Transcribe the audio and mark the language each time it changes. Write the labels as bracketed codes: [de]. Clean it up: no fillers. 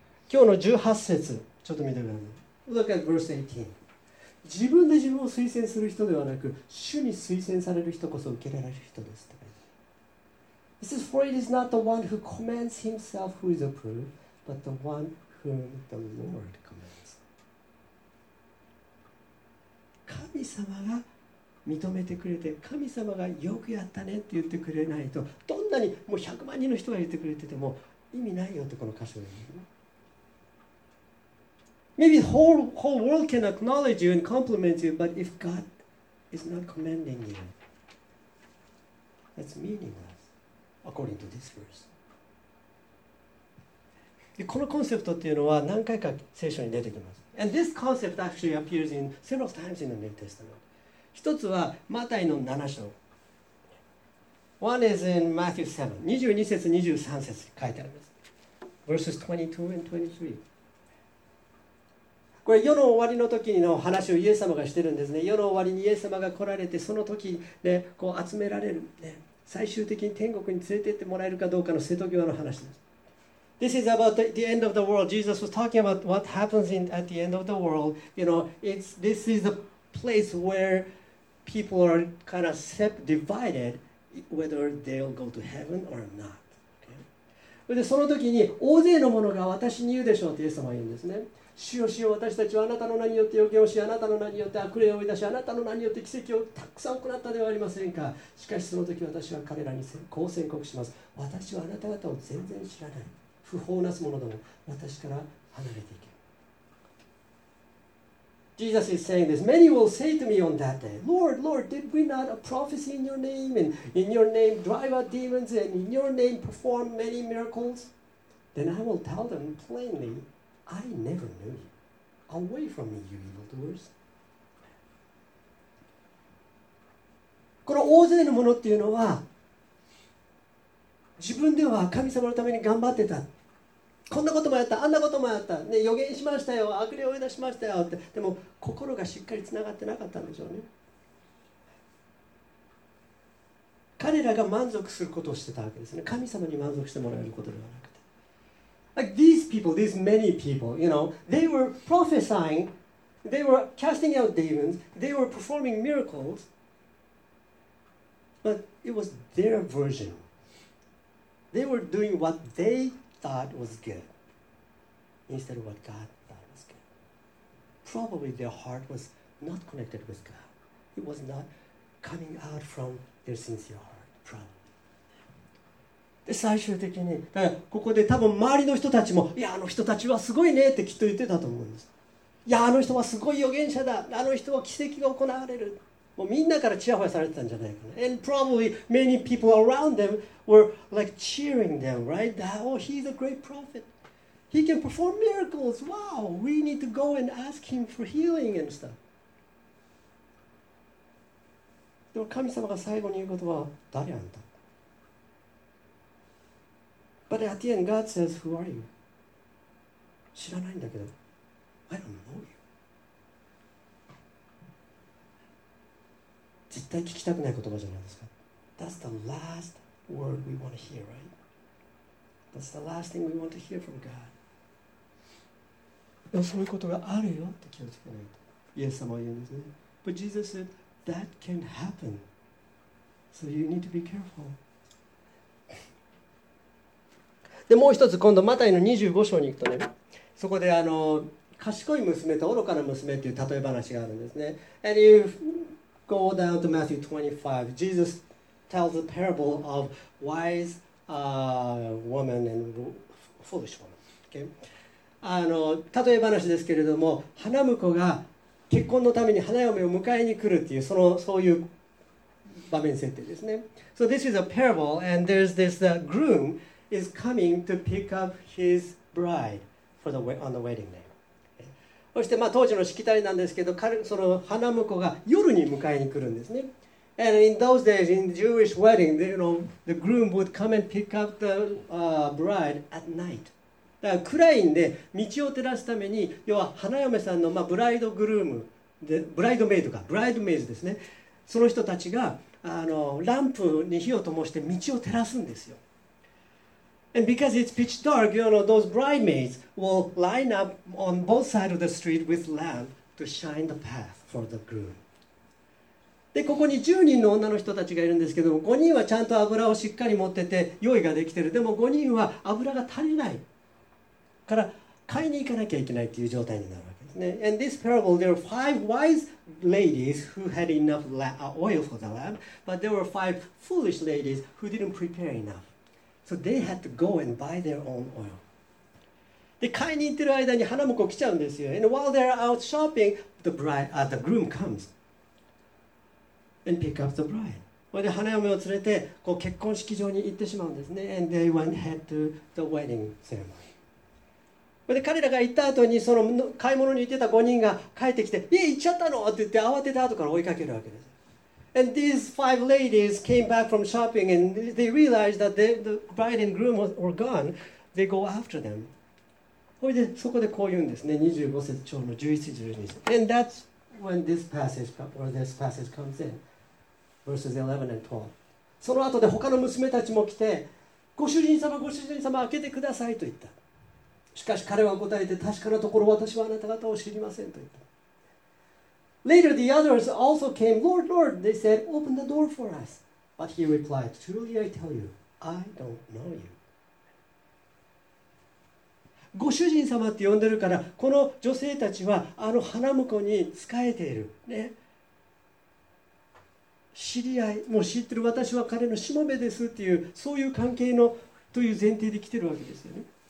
[ja] 今日の18節、ちょっと見てください。 [en] Look at verse 18. [ja] 自分で自分を推薦する人ではなく、主に推薦される人こそ受けられる人です。 [en] This is for it is not the one who commends himself who is approved, but the one whom the Lord commends. [ja] 神様が認めてくれて、神様がよくやったねって言ってくれないと、どんなにもう100万人の人が言ってくれてても意味ないよってこの箇所で。 [en] Maybe the whole world can acknowledge you and compliment you, but if God is not commending you, that's meaningless. According to this verse. [ja] でこのコンセプトっていうのは何回か聖書に出てきます。 [en] And this concept actually appears in several times in the New Testament. [ja] 一つはマタイの7章。 [en] One is in Matthew 7. [ja] 22節23節書いてあります。 [en] Verses 22 and 23. [ja] これ世の終わりの時の話をイエス様がしてるんですね。世の終わりにイエス様が来られてその時でこう集められる、ね。最終的に天国に連れてってもらえるかどうかの瀬戸際の話です。 [en] This is about the end of the world. Jesus was talking about what happens at the end of the world. You know, this is the place where people are kind of divided whether they'll go to heaven or not. Okay? [ja] でその時に大勢の者が私に言うでしょうとイエス様は言うんですね。主よ主よ私たちはあなたの名によって予言をしあなたの名によって悪霊を追い出しあなたの名によって奇跡をたくさん行ったではありませんか。しかしその時私は彼らにこう宣告します。私はあなた方を全然知らない。不法なす者ども私から離れていけ。 [en] Jesus is saying this. Many will say to me on that day, Lord, Lord, did we not prophesy in your name and in your name drive out demons and in your name perform many miracles? Then I will tell them plainlyI never knew you. Away from me, you evil doers. [ja] この大勢のものっていうのは自分では神様のために頑張ってた。こんなこともやった、あんなこともやった、ね、予言しましたよ、悪霊を追い出しましたよって。でも心がしっかりつながってなかったんでしょうね。彼らが満足することをしてたわけですね。神様に満足してもらえることではなく、 [en] Like these people, these many people, you know, they were prophesying, they were casting out demons, they were performing miracles, but it was their version. They were doing what they thought was good, instead of what God thought was good. Probably their heart was not connected with God. It was not coming out from their sincere heart, probably. [ja] 最終的にだからここで多分周りの人たちもいやあの人たちはすごいねってきっと言ってたと思うんです。いやあの人はすごい預言者だ、あの人は奇跡が行われる、もうみんなからチヤホヤされてたんじゃないかな。 [en] And probably many people around them were like cheering them, right? That, oh, he's a great prophet. He can perform miracles. Wow, we need to go and ask him for healing and stuff. [ja] でも神様が最後に言うことは誰あんた。 [en] But at the end, God says, who are you? [ja] 知らないんだけど、 [en] I don't know you. [ja] 絶対聞きたくない言葉じゃないですか。 [en] That's the last word we want to hear, right? That's the last thing we want to hear from God. [ja] でもそういうことがあるよって気をつけないと。イエス様は言うんですね。 [en] But Jesus said, that can happen. So you need to be careful. [ja] でもう一つ今度マタイの25章に行くとね、そこであの賢い娘と愚かな娘という例え話があるんですね。 [en] And you go down to Matthew 25, Jesus tells a parable of wise woman and foolish woman. Okay? [ja] あの例え話ですけれども、花婿が結婚のために花嫁を迎えに来るっていう、そのそういう場面設定ですね。 [en] So this is a parable and there's this groomis coming to pick up his bride for the on the wedding day. [ja] そしてまあ当時のしきたりなんですけど、その花婿が夜に迎えに来るんですね。 [en] And in those days, in Jewish wedding, you know, the groom would come and pick up the bride at night. [ja] だから暗いんで道を照らすために、要は花嫁さんのまあブライドグルームで、ブライドメイドか、ブライドメイズですね。その人たちがランプに火を灯して道を照らすんですよ。 [en] And because it's pitch dark, you know, those bridesmaids will line up on both sides of the street with lamp to shine the path for the groom. [ja] で、ここに10人の女の人たちがいるんですけども、5人はちゃんと油をしっかり持ってて用意ができてる。でも5人は油が足りないから買いに行かなきゃいけないっていう状態になるわけですね。 [en] And this parable, there were five wise ladies who had enough oil for the lamp, but there were five foolish ladies who didn't prepare enough. So they had to go and buy their own oil. [ja] で、買いに行ってる間に花婿来ちゃうんですよ。 [en] And while they're out shopping, the groom comes and pick up the bride. [ja] それで花嫁を連れてこう結婚式場に行ってしまうんですね。 [en] And they went head to the wedding ceremony. [ja] それで彼らが行った後にその買い物に行ってた5人が帰ってきて、いや行っちゃったのって言って慌てた後から追いかけるわけです。 [en] And these five ladies came back from shopping and they realized that the bride and groom were gone. They go after them. [ja] そこでこう言うんですね。 25節長の11節12節。 [en] And that's when this passage comes in. Verses 11 and 12. [ja] その後で他の娘たちも来て、ご主人様、ご主人様、開けてくださいと言った。しかし彼は答えて、確かなところ私はあなた方を知りませんと言った。 [en] Later, the others also came. Lord, Lord, they said, open the door for us. But he replied, truly I tell you, I don't know you. [ja] ご主人様って呼んでるから、この女性たちはあの花婿に仕えている、ね。知り合い、もう知ってる、私は彼のしもべですっていう、そういう関係のという前提で来てるわけですよね。